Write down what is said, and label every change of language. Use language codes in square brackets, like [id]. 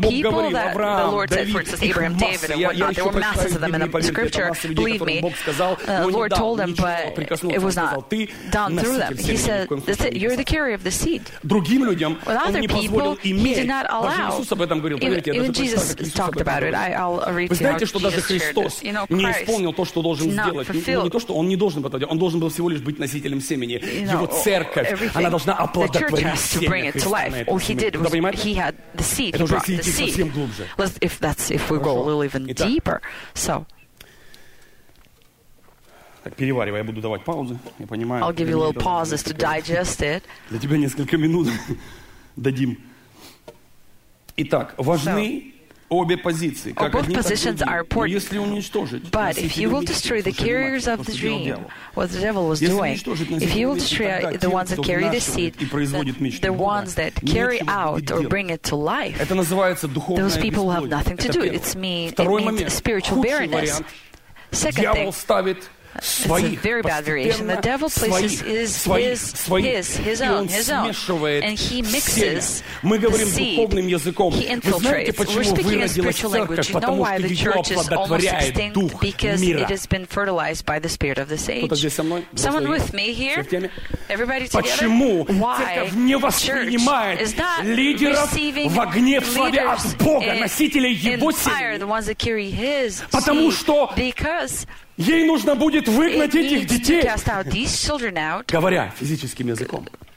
[en] People that the Lord said, for instance, Abraham, David, and whatnot, there were masses of them in the scripture, believe me. The Lord told them, but it was not done through them. He said, that's it, you're the carrier of the seed. With other people, he did not allow. Even Jesus talked about it. I'll read to you how Jesus shared it. You know, Christ did not fulfill. Not that he didn't fulfill. He [ru] должен был всего лишь быть носителем семени. Его церковь, она должна оплодотворить. [en] Has to bring it to life. All he did was he had the seed. He brought the seed. If we go a little even deeper, so. [ru] Перевариваю, я буду давать паузы. Я понимаю. [en] I'll give you a little pauses to digest it. [ru] Для тебя несколько минут дадим. Итак, важны. Обе позиции, как [en] both positions are important. [ru] Если уничтожить, [en] but if you will destroy the carriers of the dream, what the devil was doing, if you will destroy the ones that carry the seed, the ones that carry out or bring it to life, those people will have nothing to do. It means spiritual barrenness. Second thing, [ru] своих. [en] Very bad variation. The devil places his own, and he mixes. [ru] Мы говорим духовным языком. Вы знаете, почему выродилась церковь? Потому что ее оплодотворяет дух мира. [en] It has been fertilized by the spirit of this age. Someone with me here? Everybody together? [ru] Почему церковь не воспринимает лидеров в огне в славе от Бога, носителей Его силы? Потому что ей нужно будет выгнать этих детей, говоря физическим языком.